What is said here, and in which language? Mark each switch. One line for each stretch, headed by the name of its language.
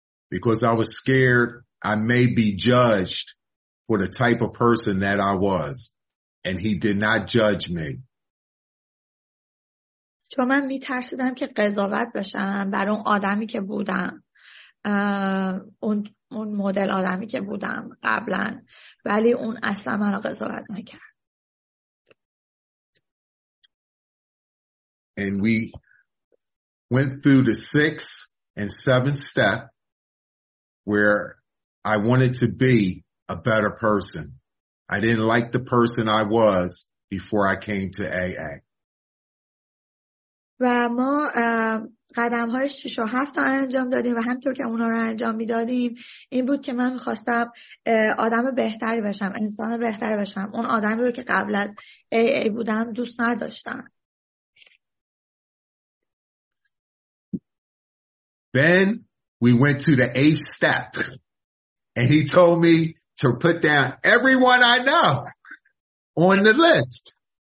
English: Because I was scared I may be judged for the type of person that I was. And he did not judge me.
Persian: چون من میترسیدم که قضاوت بشم بر اون آدمی که بودم، اون مدل آدمی که بودم قبلا، ولی اون اصلا منو قضاوت نکرد.
English: And we went through the 6th and 7th step where I wanted to be a better person. I didn't like the person I was before I came to AA.
Persian: و ما قدم‌های 6 و 7 رو انجام دادیم و همینطور که اون‌ها رو انجام می‌دادیم این بود که من می‌خواستم آدم بهتری بشم، انسان بهتری بشم. اون آدمی رو که قبل از AA بودم دوست نداشتم.
English: Then we went to the 8th step and he told me to put down everyone I know on the list.